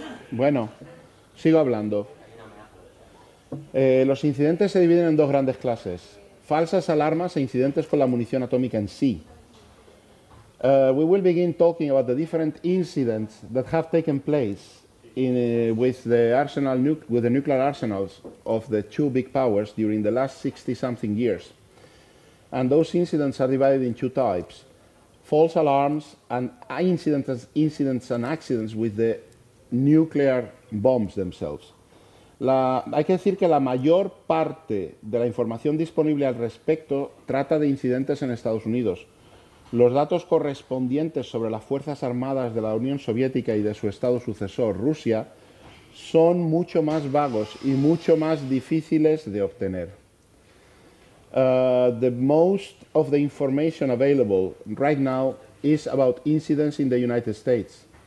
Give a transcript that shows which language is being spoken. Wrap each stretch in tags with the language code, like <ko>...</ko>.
<es>Bueno, sigo hablando. Los incidentes se dividen en dos grandes clases: falsas alarmas e incidentes con la munición atómica en sí.</es> <en>We will begin talking about the different incidents that have taken place with the arsenal nu with the nuclear arsenals of the two big powers during the last 60-something years. And those incidents are divided in two types: false alarms and incidents and accidents with the nuclear bombs themselves.</en> <es>Hay que decir que la mayor parte de la información disponible al respecto trata de incidentes en Estados Unidos. Los datos correspondientes sobre las Fuerzas Armadas de la Unión Soviética y de su Estado sucesor, Rusia, son mucho más vagos y mucho más difíciles de obtener.</es> <en>The most of the information available right now is about incidents in the United States.</en>